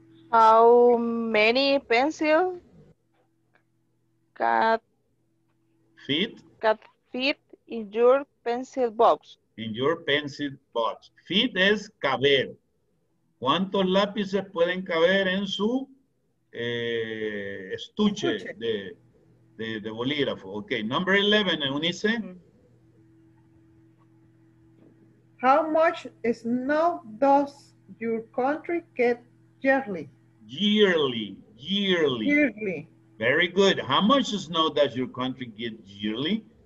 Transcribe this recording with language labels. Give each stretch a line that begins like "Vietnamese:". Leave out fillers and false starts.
English: How many pencils can fit in your pencil box? In your pencil box.
Spanish: Fit es caber. ¿Cuántos lápices pueden caber en su estuche de bolígrafo?
English: Okay, number 11, Eunice. How much snow does your country get yearly? Yearly. Very good. How much snow does your country get yearly?